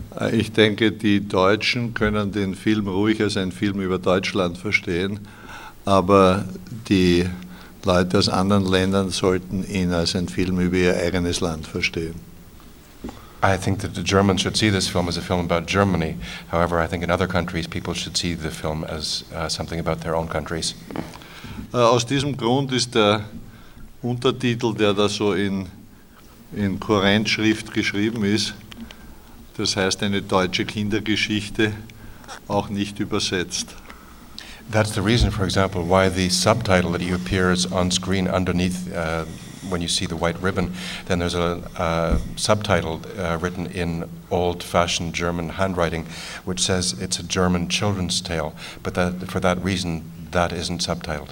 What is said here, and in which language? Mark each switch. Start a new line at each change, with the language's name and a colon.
German: Ich denke, die Deutschen können den Film ruhig als ein Film über Deutschland verstehen, aber die Leute aus anderen Ländern sollten ihn als ein Film über ihr eigenes Land verstehen.
English: I think that the Germans should see this film as a film about Germany. However, I think in other countries people should see the film as something about their own countries.
German: Aus diesem Grund ist der Untertitel, der da so in Kurrentschrift geschrieben ist, das heißt eine deutsche Kindergeschichte, auch nicht übersetzt.
English: That's the reason, for example, why the subtitle that appears on screen underneath when you see the white ribbon, then there's a subtitle written in old-fashioned German handwriting, which says it's a German children's tale. But that, for that reason, that isn't subtitled.